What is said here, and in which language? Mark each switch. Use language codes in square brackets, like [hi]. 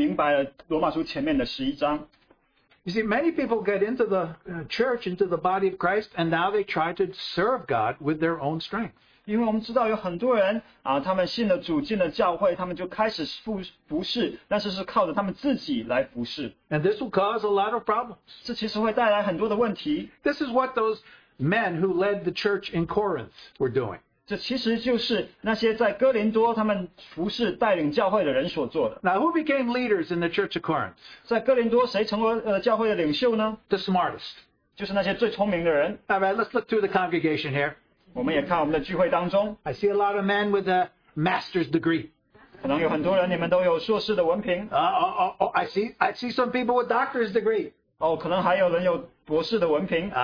[zh] 但是我要说,我们不能够明白这个,除非我们已经明白了罗马书前面的11章. [en] You see, many people get into the church, into the body of Christ, and now they try to serve God with their own strength. [zh] 因为我们知道有很多人,他们信了主,进了教会,他们就开始服侍,但是是靠着他们自己来服侍. [en] And this will cause a lot of problems. [zh] 这其实会带来很多的问题. [en] This is what those men who led the church in Corinth were doing. [zh] 这其实就是那些在哥林多他们服侍带领教会的人所做的. [en] Now, who became leaders in the church of Corinth? [zh] 在哥林多谁成为教会的领袖呢? [en] The smartest. [zh] 就是那些最聪明的人. [en] All right, let's look through the congregation here. [zh] 我们也看我们的聚会当中. [en] I see a lot of men with a master's degree. [zh] 可能有很多人你们都有硕士的文凭. [en] I see some people with doctor's degree. [zh] 可能还有人有博士的文凭.